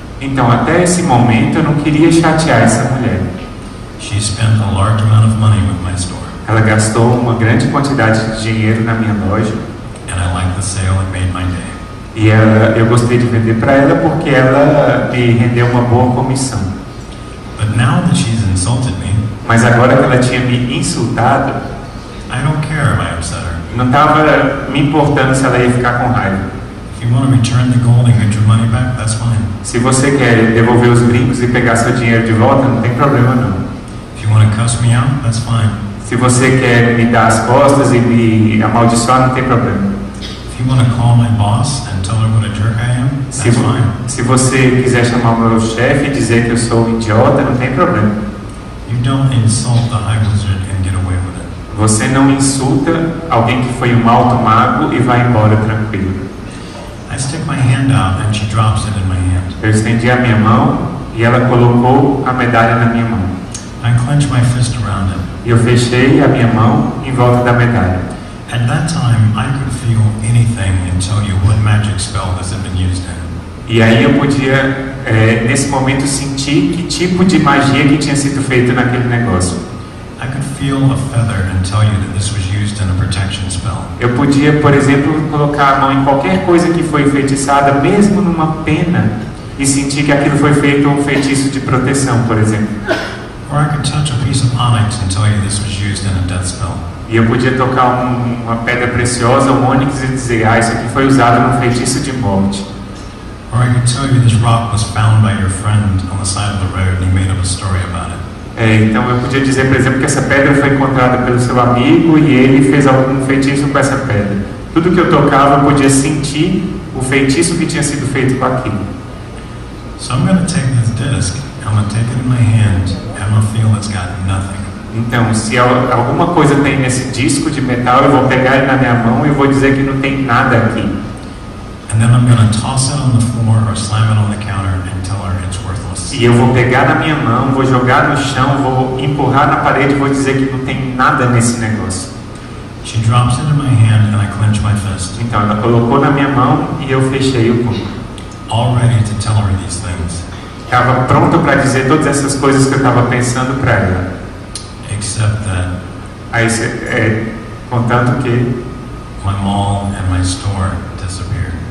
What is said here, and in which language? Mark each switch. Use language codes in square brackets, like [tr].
[pt] Então, até esse momento, eu não queria chatear essa mulher. [en] She spent a large amount of money with my store. [pt] Ela gastou uma grande quantidade de dinheiro na minha loja. [en] And I liked the sale and made my day. [pt] E ela, eu gostei de vender para ela porque ela me rendeu uma boa comissão. [en] But now that she's insulted me, [pt] mas agora que ela tinha me insultado, [en] I don't care if I upset her. [pt] Não estava me importando se ela ia ficar com raiva. [en] If you want to return the gold and get your money back, that's fine. [pt] Se você quer devolver os brincos e pegar seu dinheiro de volta, não tem problema não. [en] If you want to cuss me out, that's fine. [pt] Se você quer me dar as costas e me amaldiçoar, não tem problema. [en] If you want to call my boss and tell her what a jerk I am, that's fine. [pt] Se você quiser chamar meu chefe e dizer que eu sou idiota, não tem problema. [en] You don't insult the high wizard and get away with it. [pt] Você não insulta alguém que foi alto mago e vai embora tranquilo. [en] I stick my hand out and she drops it in my hand. [pt] Eu estendi a minha mão e ela colocou a medalha na minha mão. [en] I clench my fist around it. [pt] Eu fechei a minha mão em volta da medalha. [en] At that time, I could feel anything and tell you what magic spell this had been used in. [pt] E aí eu podia, nesse momento, sentir que tipo de magia que tinha sido feito naquele negócio. [en] I could feel a feather and tell you that this was used in a protection spell. [pt] Eu podia, por exemplo, colocar a mão em qualquer coisa que foi enfeitiçada, mesmo numa pena, e sentir que aquilo foi feito um feitiço de proteção, por exemplo. [en] Or I could touch a piece of onyx and tell you this was used in a death spell. [pt] E eu podia tocar uma pedra preciosa, um onyx, e dizer, ah, isso aqui foi usado num feitiço de morte. [en] Or I could tell you this rock was found by your friend on the side of the road and he made up a story about it. [pt] Então eu podia dizer, por exemplo, que essa pedra foi encontrada pelo seu amigo e ele fez algum feitiço com essa pedra. Tudo que eu tocava, eu podia sentir o feitiço que tinha sido feito com aquilo. [en] So I'm gonna take this disc, I'm gonna take it in my hand, and I'm gonna feel it's got nothing. [pt] Então, se alguma coisa tem nesse disco de metal, eu vou pegar ele na minha mão e vou dizer que não tem nada aqui. [en] And then I'm gonna toss it on the floor or slam it on the counter and tell her it's worthless. [pt] E eu vou pegar na minha mão, vou jogar no chão, vou empurrar na parede e vou dizer que não tem nada nesse negócio. [en] She drops into my hand and I clench my fist. [pt] Então ela colocou na minha mão e eu fechei o punho. [en] already to tell her these things. [pt] Estava pronto para dizer todas essas coisas que eu estava pensando para ela. [en] Except that, [pt] contanto que [en] my mall and my store disappeared.